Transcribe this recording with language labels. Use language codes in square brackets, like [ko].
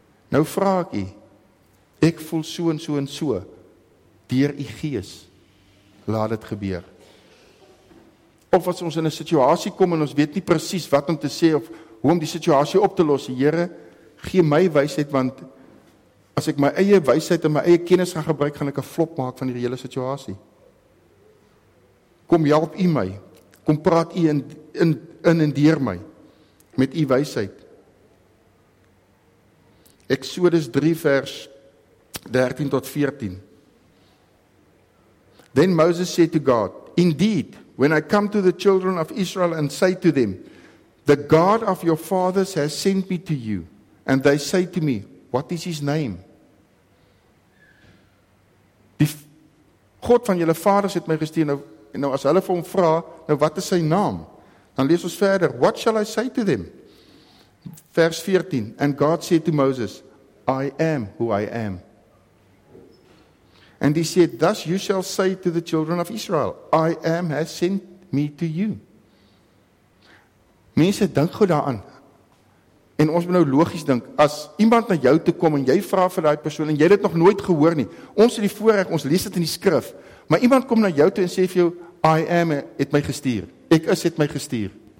[af] Nou vraag ek u, ek voel so en so en so, deur u gees, laat dit gebeur. Of as ons in 'n situasie kom en ons weet nie precies wat om te sê of hoe om die situasie op te los, Here, gee my wysheid, want as ek my eie wysheid en my eie kennis gaan gebruik, gaan ek 'n flop maak van hierdie hele situasie. Kom, help u my. Kom, praat u in en deur my met u wysheid. Exodus 3 vers 13 tot 14. [en] Then Moses said to God, indeed, when I come to the children of Israel and say to them, the God of your fathers has sent me to you, and they say to me, what is his name? [af] Die God van julle vaders het my gestuur, nou as hulle vir hom vra, nou wat is sy naam? Dan lees ons verder, [en] what shall I say to them? Vers 14, and God said to Moses, I am who I am. And he said, thus you shall say to the children of Israel, I am has sent me to you. [af] Mense, dink gou daaraan. En ons moet nou logies dink, as iemand na jou toe kom en jy vra vir daai persoon en jy het dit nog nooit gehoor nie, ons het die voorreg, ons lees dit in die skrif, maar iemand kom na jou toe en sê vir jou, I am het my gestuur, ek is het my gestuur.